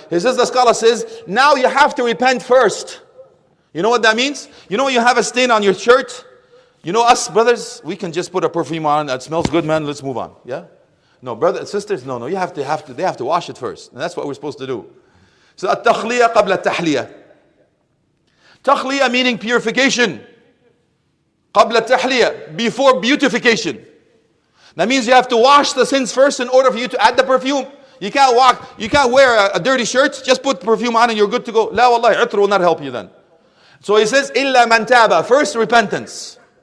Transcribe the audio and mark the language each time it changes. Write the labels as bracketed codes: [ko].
[en] He says, the scholar says, now you have to repent first. You know what that means? You know you have a stain on your shirt? You know us, brothers, we can just put a perfume on. It smells good, man. Let's move on. Yeah? No, brothers, sisters, no. You have to. They have to wash it first. And that's what we're supposed to do. [ar] So, التخلية قبل التحلية. [en] تخلية meaning purification. [ar] قبل التحلية, [en] before beautification. That means you have to wash the sins first in order for you to add the perfume. You can't walk, you can't wear a dirty shirt, just put perfume on and you're good to go. La wallahi, itr will not help you then. So he says, [ar] illa man taba, [en] first repentance.